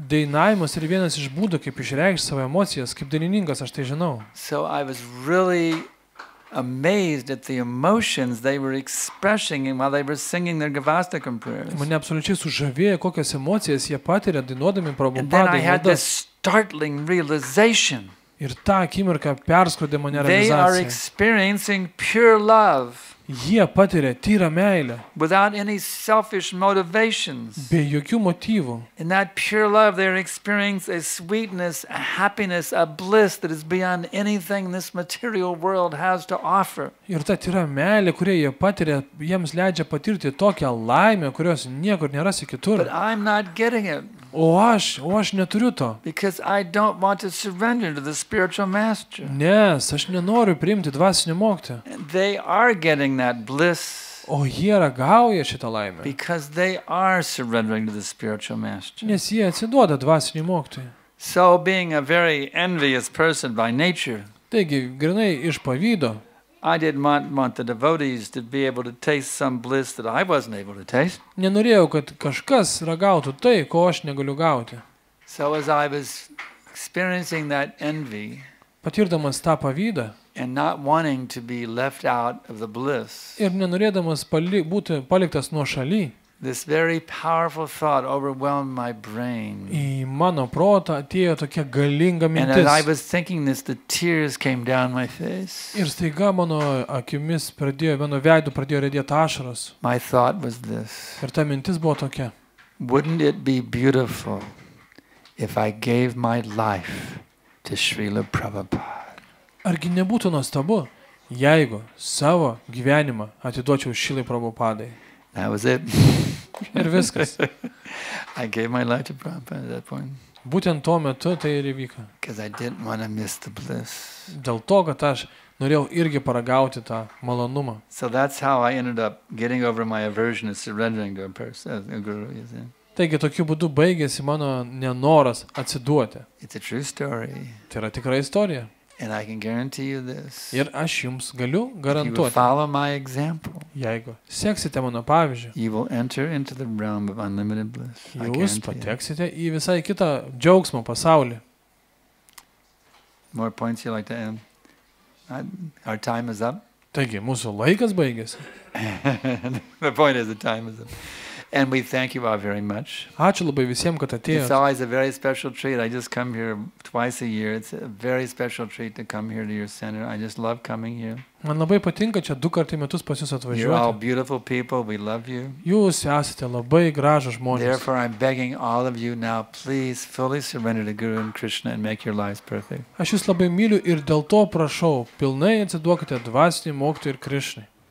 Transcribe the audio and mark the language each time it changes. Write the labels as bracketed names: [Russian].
[Lithuanian] Dainavimas yra vienas iš būdų, kaip išreikšti savo emocijas, kaip dainininkas, aš tai žinau. [English] So I was really amazed at the emotions they were expressing while they were singing their Gavastakam prayers. [Lithuanian] Mane absoliučiai sužavėjo, kokias emocijas jie patiria dainuodami Prabhupada. [English] And then I had this startling realization. [Lithuanian] Ir tą akimirką perskrodė mane realizacija. [English] They are experiencing pure love. [Lithuanian] Jie patiria tyrą meilę. [English] Without any selfish motivations. [Lithuanian] Be jokių motyvų. [English] In that pure love they are experiencing a sweetness, a happiness, a bliss that is beyond anything this material world has to offer. [Lithuanian] Ir ta tyra meilė, kurią jie patiria, jiems leidžia patirti tokią laimę, kurios niekur nerasi kitur. [English] But I'm not getting it. [Lithuanian] O aš neturiu to. [English] Because I don't want to surrender to the spiritual master. [Lithuanian] Nes aš nenoriu priimti dvasinio mokytojo. [English] They are getting that bliss. [Lithuanian] O jie ragauja šitą laimę. [English] Because they are surrendering to the spiritual master. [Lithuanian] Nes jie atsiduoda dvasiniam mokytojui. [English] So being a very envious person by nature. [Lithuanian] Taigi, grinai iš pavydo. [English] I didn't want the devotees to be able to taste some bliss that I wasn't able to taste. [Lithuanian] Nenorėjau, kad kažkas ragautų tai, ko aš negaliu gauti. [English] So as I was experiencing that envy, [Lithuanian] patirdamas tą pavydą, [English] and not wanting to be left out of the bliss, [Lithuanian] ir nenorėdamas būti paliktas nuošaly, [English] this very powerful thought overwhelmed my brain. [Lithuanian] Į mano protą atėjo tokia galinga mintis. [English] And as I was thinking this, the tears came down my face. [Lithuanian] Ir staiga mano akimis pradėjo, mano veidu pradėjo riedėti ašaros. [English] My thought was this. [Lithuanian] Ir ta mintis buvo tokia. [English] Wouldn't it be beautiful if I gave my life to Srila Prabhupada? [Lithuanian] Argi nebūtų nuostabu, jeigu savo gyvenimą atiduočiau Šrilai Prabhupadai? [English] That was it. [Lithuanian] Ir viskas. [English] I gave my life to Prabhupada at that point. [Lithuanian] Būtent tuo metu tai ir įvyko. [English] Because I didn't want to miss the bliss. [Lithuanian] Dėl to, kad aš norėjau irgi paragauti tą malonumą. [English] So that's how I ended up getting over my aversion and surrendering to a person, a guru, you see. [Lithuanian] Taigi tokiu būdu baigėsi mano nenoras atsiduoti. [English] It's a true story. [Lithuanian] Tai yra tikra istorija. [English] And I can guarantee you this. [Lithuanian] Ir aš jums galiu garantuoti. [English] You follow my example. [Lithuanian] Jeigu seksite mano pavyzdžiu. [English] You will enter into the realm of unlimited bliss. [Lithuanian] Jūs pateksite į visai kitą džiaugsmo pasaulį. [English] More points you like to add? Our time is up. [Lithuanian] Taigi, mūsų laikas baigėsi. [English] The point is the time is up. And we thank you all very much. [Lithuanian] Ačiū labai visiems, kad atėjote. [English] It's always a very special treat. I just come here twice a year. It's a very special treat to come here to your center. I just love coming here. [Lithuanian] Man labai patinka čia du kartus į metus pas jūs atvažiuoti. [English] You're all beautiful people. We love you. [Lithuanian] Jūs esate labai gražus žmonės. [English] Therefore, I'm begging all of you now, please fully surrender to Guru and Krishna and make your lives perfect. [Lithuanian] Aš jūs labai myliu ir dėl to prašau, pilnai atsiduokite dvasiniam mokytojui ir Krishnai.